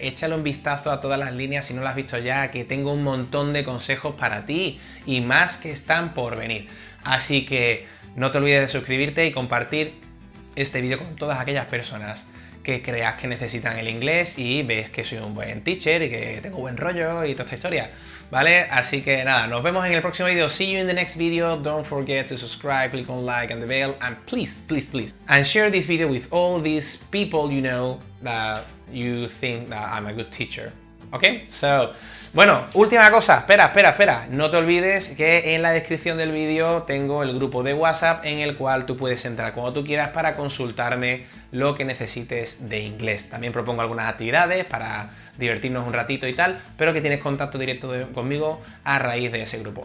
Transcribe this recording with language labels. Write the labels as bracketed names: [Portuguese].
[Spanish] Échale un vistazo a todas las líneas si no las has visto ya, que tengo un montón de consejos para ti y más que están por venir. Así que no te olvides de suscribirte y compartir este vídeo con todas aquellas personas que creas que necesitan el inglés y ves que soy un buen teacher y que tengo buen rollo y toda esta historia, ¿vale? Así que nada, nos vemos en el próximo vídeo. [English] See you in the next video. Don't forget to subscribe, click on like and the bell, and please, please, please, and share this video with all these people you know that you think that I'm a good teacher. Okay? So, [Spanish] bueno, última cosa. Espera. No te olvides que en la descripción del vídeo tengo el grupo de WhatsApp en el cual tú puedes entrar cuando tú quieras para consultarme lo que necesites de inglés. También propongo algunas actividades para divertirnos un ratito y tal, pero que tienes contacto directo conmigo a raíz de ese grupo.